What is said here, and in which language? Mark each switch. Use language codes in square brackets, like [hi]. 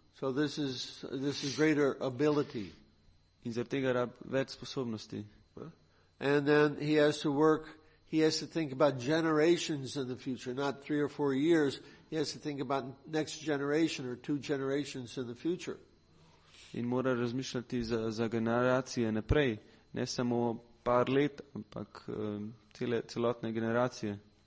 [en] So this is greater ability. [sl] In zaradi tega rab več sposobnosti. [en] And then he has to work, he has to think about generations in the future, not 3 or 4 years. He has to think about next generation or 2 generations in the future. [sl] In mora razmišljati za generacije naprej. Ne samo par let, ampak celotne generacije.